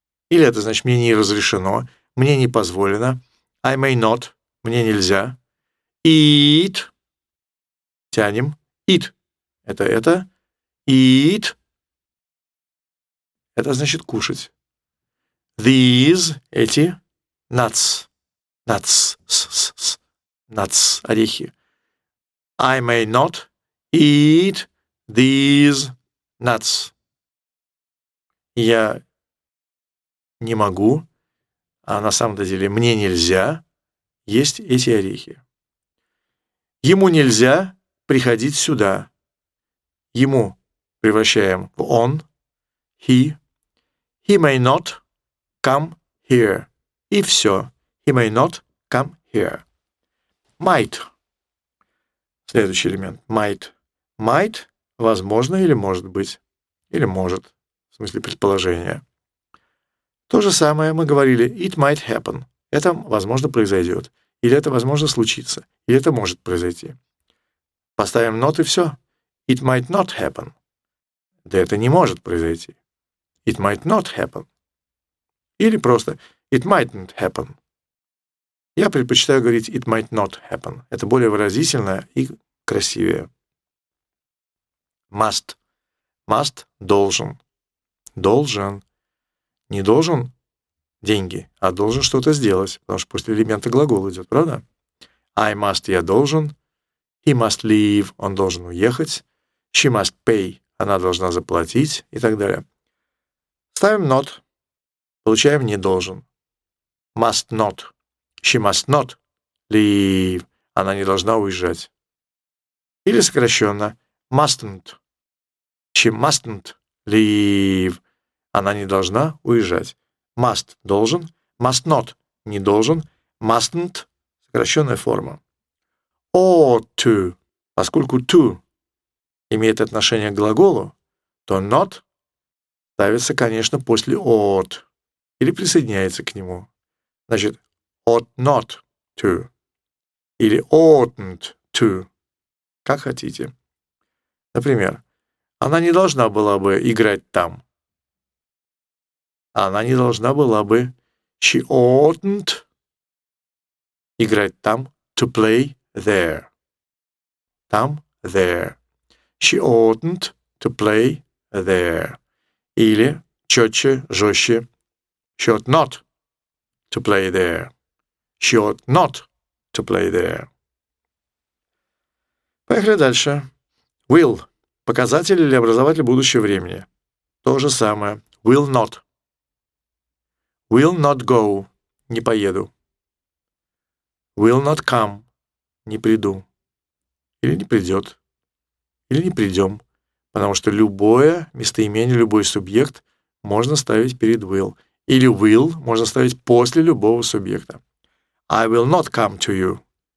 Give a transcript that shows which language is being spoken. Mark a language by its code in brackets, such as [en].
[ru] Или это значит «мне не разрешено», «мне не позволено», [en] «I may not», [ru] «мне нельзя». «Eat» – тянем. «Eat» – это. «Eat» – это значит «кушать». «These» – эти. [en] «Nuts» – «nuts» – «nuts» – орехи. «I may not eat these nuts». [ru] Я не могу, а на самом-то деле мне нельзя есть эти орехи. Ему нельзя приходить сюда. Ему превращаем в он, he. [en] He may not come here. [ru] И все. [en] He may not come here. Might. Следующий элемент. Might. [ru] Might – возможно или может быть. Или может. В смысле предположения. То же самое мы говорили, [en] it might happen. [ru] Это возможно произойдет. Или это возможно случится. Или это может произойти. Поставим not и все. [en] It might not happen. [ru] Да это не может произойти. [en] It might not happen. [ru] Или просто [en] it mightn't happen. [ru] Я предпочитаю говорить [en] it might not happen. [ru] Это более выразительно и красивее. [en] Must. [ru] Must – должен. Должен. Не должен деньги, а должен что-то сделать, потому что после элемента глагол идет, правда? [en] I must – [ru] я должен. [en] He must leave – [ru] он должен уехать. [en] She must pay [ru] – она должна заплатить и так далее. Ставим not. Получаем не должен. Must not. [en] She must not leave – [ru] она не должна уезжать. Или сокращенно mustn't. [en] She mustn't leave. [ru] Она не должна уезжать. Must – должен. Must not – не должен. Mustn't – сокращенная форма. [en] Ought to. [ru] Поскольку to имеет отношение к глаголу, то not ставится, конечно, после ought или присоединяется к нему. [en] Значит, ought not to. Или oughtn't to. [ru] Как хотите. Например, она не должна была бы играть там. Она не должна была бы. [en] She oughtn't [ru] играть там. [en] To play there. Там, there. She oughtn't to play there. [ru] Или четче, жестче. [en] She ought not to play there. She ought not to play there. [ru] Поехали дальше. Will. Показатель или образователь будущего времени. То же самое. Will not. [en] Will not go. [ru] Не поеду. [en] Will not come. [ru] Не приду. Или не придет. Или не придем. Потому что любое местоимение, любой субъект можно ставить перед will. Или will можно ставить после любого субъекта. [en] I will not come to you.